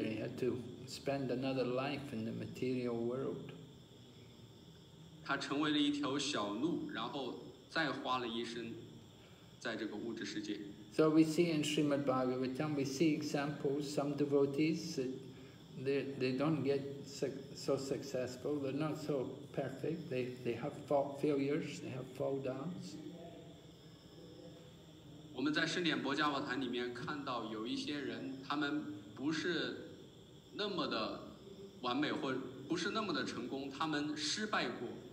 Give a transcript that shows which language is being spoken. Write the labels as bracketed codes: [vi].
[en] He had to spend another life in the material world. [zh] 他成为了一条小鹿，然后再花了一生在这个物质世界。 [en] So we see in Srimad Bhagavatam, we see examples, some devotees that they don't get so successful, they're not so perfect, they have failures, they have fall downs. [zh] 我们在圣典伯加瓦坛里面看到有一些人，他们不是那么的完美，或不是那么的成功，他们失败过。